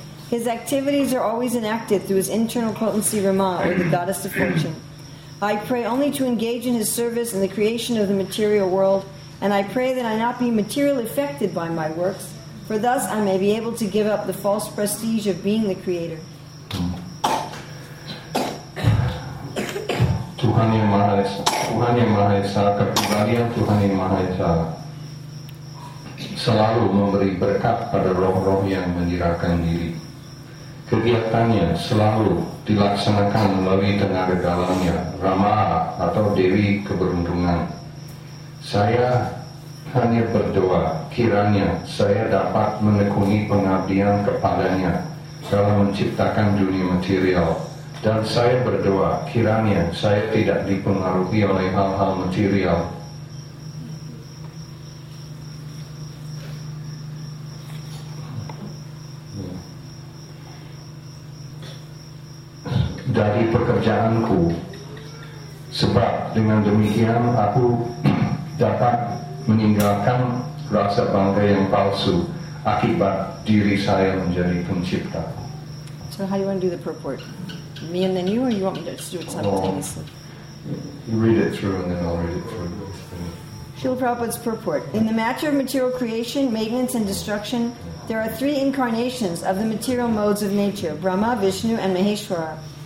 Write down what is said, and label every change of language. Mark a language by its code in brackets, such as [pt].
[en] His activities are always enacted through his internal potency Rama, or the goddess of fortune. I pray only to engage in his service in the creation of the material world, and I pray that I not be materially affected by my works, for thus I may be able to give up the false prestige of being the creator. [id] Tuhan yang Maha Esa, kepribadian Tuhan yang Maha Esa, selalu memberi berkat pada roh-roh yang menyerahkan diri. Kegiatannya selalu dilaksanakan melalui tenaga dalamnya, Rama atau Dewi keberuntungan. Saya Hanya berdoa, kiranya saya dapat menekuni pengabdian kepadanya dalam menciptakan dunia material. Dan saya berdoa, kiranya saya tidak dipengaruhi oleh hal-hal material. Dari pekerjaanku, sebab dengan demikian aku dapat meninggalkan rasa bangga yang palsu akibat diri saya menjadi pencipta. [en] So how do you want to do the purport? Me and then you, or you want me to just do it simultaneously? You read it through and then I'll read it through. Srila Prabhupada's purport. In the matter of material creation, maintenance and destruction, there are three incarnations of the material modes of nature, Brahma, Vishnu and Maheshwara.